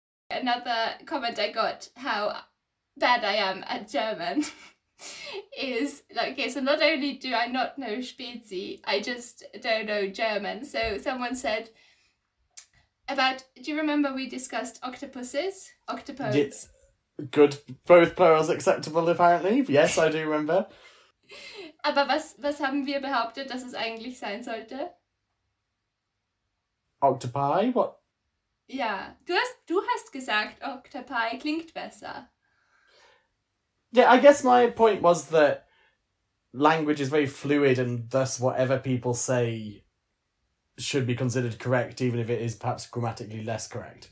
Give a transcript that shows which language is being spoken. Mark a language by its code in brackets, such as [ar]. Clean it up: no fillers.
[en] Another comment I got, how bad I am at German, is like, okay, so not only do I not know Spezi, I just don't know German. So someone said about, do you remember we discussed octopuses? Octopus. Yes. Good, both plurals acceptable apparently. Yes, I do remember. [de] Aber was haben wir behauptet, dass es eigentlich sein sollte? [en] Octopi? What? [de] Ja, du hast gesagt, Octopi klingt besser. [en] Yeah, I guess my point was that language is very fluid and thus whatever people say should be considered correct, even if it is perhaps grammatically less correct.